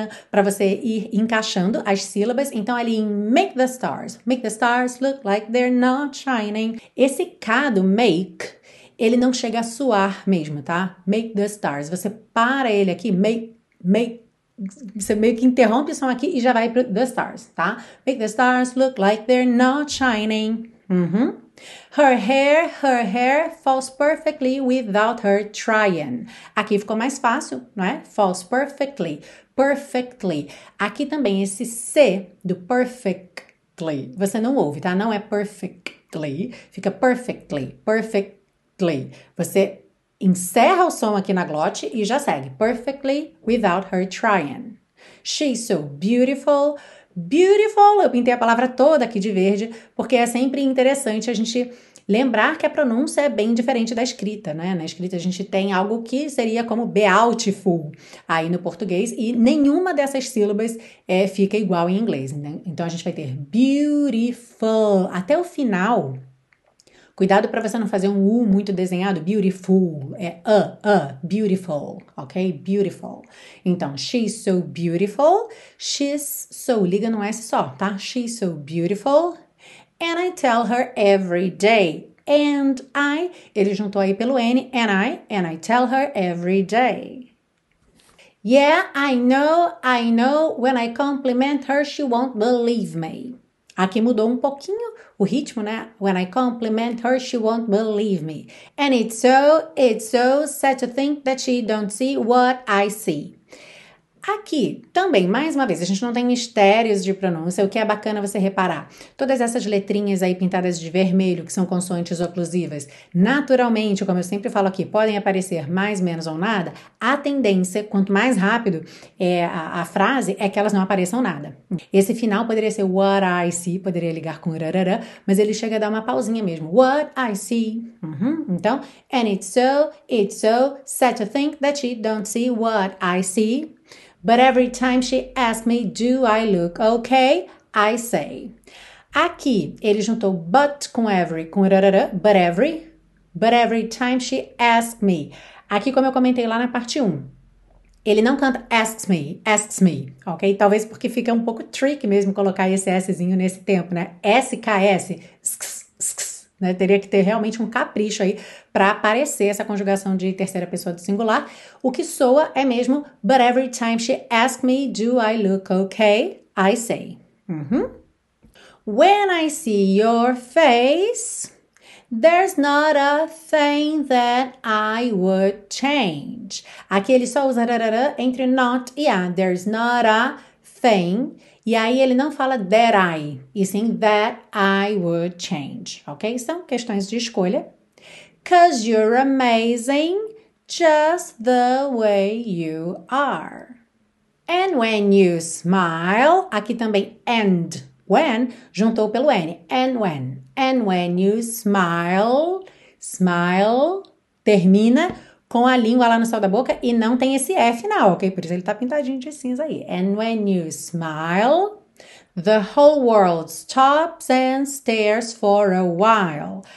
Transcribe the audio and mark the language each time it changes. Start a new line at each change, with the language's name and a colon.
Portuguese: Para você ir encaixando as sílabas. Então, ali em
English: make the stars look like they're not shining.
Portuguese: Esse cado, make, ele não chega a suar mesmo, tá?
English: Make the stars.
Portuguese: Você para ele aqui, make. Você meio que interrompe o som aqui e já vai pro the stars, tá?
English: Make the stars look like they're not shining. Her hair falls perfectly without her trying.
Portuguese: Aqui ficou mais fácil, não é?
English: Falls perfectly, perfectly.
Portuguese: Aqui também esse C do perfectly, você não ouve, tá? Não é perfectly, fica perfectly, perfectly. Você encerra o som aqui na glote e já segue.
English: Perfectly without her trying. She's so beautiful.
Portuguese: Beautiful. Eu pintei a palavra toda aqui de verde, porque é sempre interessante a gente lembrar que a pronúncia é bem diferente da escrita, né? Na escrita a gente tem algo que seria como beautiful aí no português e nenhuma dessas sílabas fica igual em inglês, né? Então a gente vai ter beautiful até o final. Cuidado para você não fazer um U muito desenhado, beautiful, é beautiful, ok? Beautiful. Então,
English: she's so beautiful, she's so,
Portuguese: liga no S só, tá?
English: She's so beautiful, and I tell her every day, and I,
Portuguese: ele juntou aí pelo N,
English: and I tell her every day. Yeah, I know, when I compliment her, she won't believe me.
Portuguese: Aqui mudou um pouquinho o ritmo, né?
English: When I compliment her, she won't believe me. And it's so sad to think that she don't see what I see.
Portuguese: Aqui, também, mais uma vez, a gente não tem mistérios de pronúncia, o que é bacana você reparar. Todas essas letrinhas aí pintadas de vermelho, que são consoantes oclusivas, naturalmente, como eu sempre falo aqui, podem aparecer mais, menos ou nada. A tendência, quanto mais rápido é a frase, é que elas não apareçam nada. Esse final poderia ser
English: what I see,
Portuguese: poderia ligar com rarará, mas ele chega a dar uma pausinha mesmo.
English: What I see.
Portuguese: Então,
English: and it's so sad to think that she don't see what I see. But every time she asks me, do I look okay? I say. Aqui, ele juntou but com every, com rarara, but every time she asks me.
Portuguese: Aqui, como eu comentei lá na parte 1, ele não canta asks me, ok? Talvez porque fica um pouco tricky mesmo colocar esse Szinho nesse tempo, né? SKS, Né? Teria que ter realmente um capricho aí para aparecer essa conjugação de terceira pessoa do singular. O que soa é mesmo,
English: but every time she asks me, do I look okay? I say. When I see your face, there's not a thing that I would change.
Portuguese: Aqui ele só usa rarara entre not e a.
English: There's not a thing.
Portuguese: E aí ele não fala that I, e sim
English: that I would change.
Portuguese: Ok? São questões de escolha.
English: 'Cause you're amazing just the way you are. And when you smile,
Portuguese: aqui também
English: and.
Portuguese: When, juntou pelo N.
English: And when you smile, smile,
Portuguese: termina com a língua lá no céu da boca e não tem esse F final, ok? Por isso ele tá pintadinho de cinza aí.
English: And when you smile, the whole world stops and stares for a while.